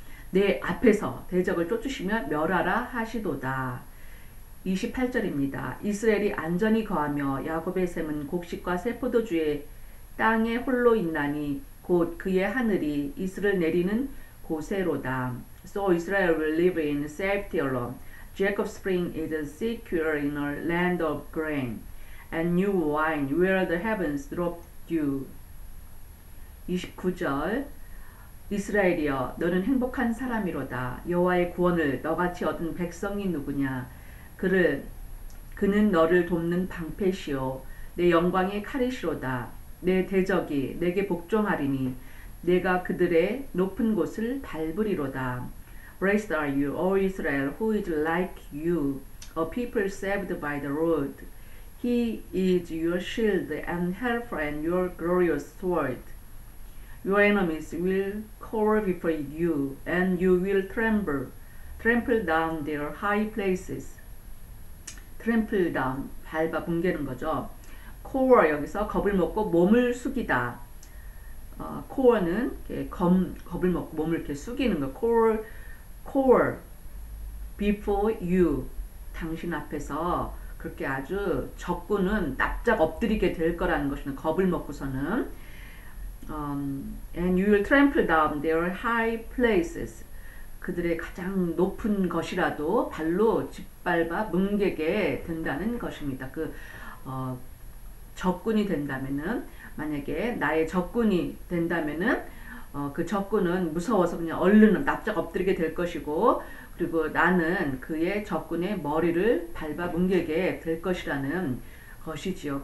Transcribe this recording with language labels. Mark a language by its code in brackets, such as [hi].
[ko] 내 앞에서 대적을 쫓으시면 멸하라 하시도다. 28절입니다. 이스라엘이 안전히 거하며 야곱의 샘은 곡식과 세포도주의 땅에 홀로 있나니 곧 그의 하늘이 이슬을 내리는 곳에로다. [en] So Israel will live in safety alone. Jacob's spring is secure in a land of grain and new wine where the heavens drop dew. [ko] 29절 이스라엘이여 너는 행복한 사람이로다. 여호와의 구원을 너같이 얻은 백성이 누구냐. 그는 너를 돕는 방패시오 내 영광의 칼이시로다. 내 대적이 내게 복종하리니 내가 그들의 높은 곳을 밟으리로다. [en] Blessed are you, O Israel, who is like you, a people saved by the Lord. He is your shield and helper and your glorious sword. Your enemies will cower before you, and you will trample down their high places. Trample down, [ko] 밟아 뭉개는 거죠. Cower 여기서 겁을 먹고 몸을 숙이다. Cower는 겁을 먹고 몸을 이렇게 숙이는 거. [en] Cower before you, [ko] 당신 앞에서 그렇게 아주 적군은 납작 엎드리게 될 거라는 것이는 겁을 먹고서는. [en] And you will trample down their high places. [ko] 그들의 가장 높은 것이라도 발로 짓밟아 뭉개게 된다는 것입니다. 그 적군이 된다면은 만약에 나의 적군이 된다면은 그 적군은 무서워서 그냥 얼른 납작 엎드리게 될 것이고 그리고 나는 그의 적군의 머리를 밟아 뭉개게 될 것이라는 것이지요.